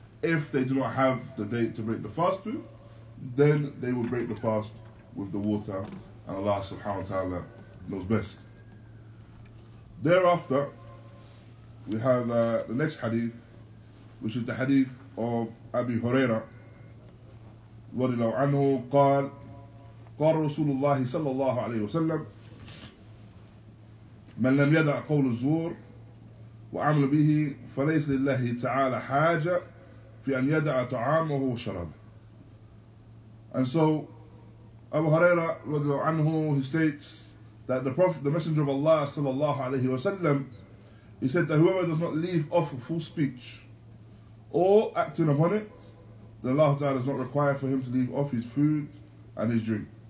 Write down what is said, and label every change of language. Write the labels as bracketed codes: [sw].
[en] If they do not have the date to break the fast with, then they will break the fast with the water, and Allah subhanahu wa ta'ala knows best. Thereafter, we have the next hadith, which is the hadith of Abi Huraira. [ar] رضي الله عنه قال قال رسول الله صلى الله عليه وسلم من لم يدع قول الزور وعمل به فليس لله تعالى حاجة في أن يدع طعامه وشرابه. [en] And so Abu Huraira رضي الله عنه, he states that the Prophet, the Messenger of Allah صلى الله عليه وسلم, he said that whoever does not leave off full speech or acting upon it, then Allah Ta'ala does not require for him to leave off his food and his drink.